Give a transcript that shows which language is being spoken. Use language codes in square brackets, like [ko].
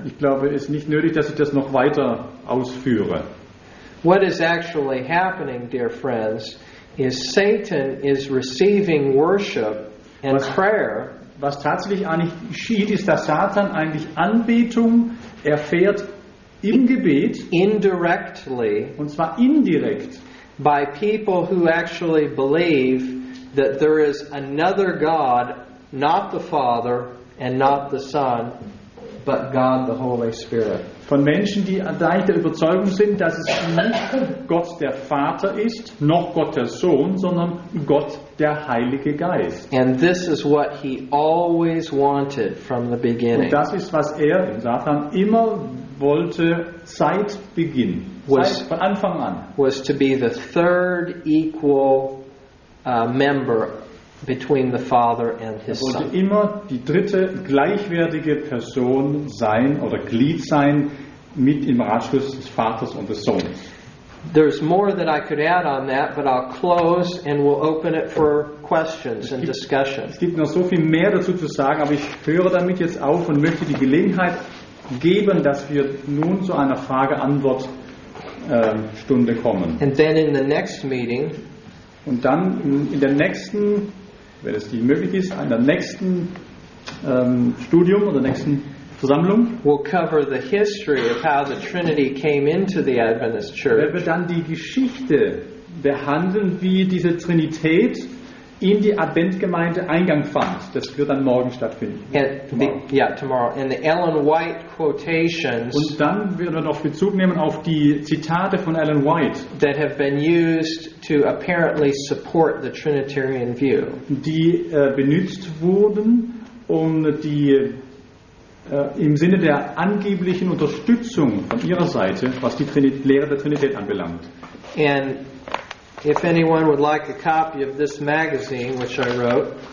[de] Ich glaube, es ist nicht nötig, dass ich das noch weiter ausführe. [en] What is actually happening, dear friends, is Satan is receiving worship and prayer. [de] Was tatsächlich eigentlich geschieht, ist, dass Satan eigentlich Anbetung erfährt im Gebet. [en] Indirectly. [de] Und zwar indirekt. [en] By people who actually believe that there is another God, not the Father and not the Son, but God the Holy Spirit. [de] Von Menschen, die eigentlich der Überzeugung sind, dass es nicht Gott der Vater ist, noch Gott der Sohn, sondern Gott der Heilige Geist. [en] And this is what he always wanted from the beginning. [de] Und das ist, was er in Satan immer wollte seit Beginn, von Anfang an. [en] Was to be the third equal member between the Father and his Son. [de] Er wollte immer die dritte gleichwertige Person sein oder Glied sein mit im Ratschluss des Vaters und des Sohnes. [en] There's more that I could add on that, but I'll close and we'll open it for questions and discussion. [de] Es gibt noch so viel mehr dazu zu sagen, aber ich höre damit jetzt auf und möchte die Gelegenheit geben, dass wir nun zu einer Frage-Antwort-Stunde kommen. [en] And then in the next meeting, [de] und dann in der nächsten, wenn es die möglich ist, an der nächsten Studium oder nächsten Versammlung. [en] We'll cover the history of how the Trinity came into the Adventist Church. [de] Werden wir dann die Geschichte behandeln, wie diese Trinität in die Adventgemeinde Eingang fand. Das wird dann morgen stattfinden. [en] Tomorrow. In the Ellen White quotations. [de] Und dann werden wir noch Bezug nehmen auf die Zitate von Ellen White. [en] That have been used to apparently support the Trinitarian view. [de] Die benutzt wurden, um die im Sinne der angeblichen Unterstützung von ihrer Seite, was die Lehre der Trinität anbelangt. [en] And if anyone would like a copy of this magazine, which I wrote,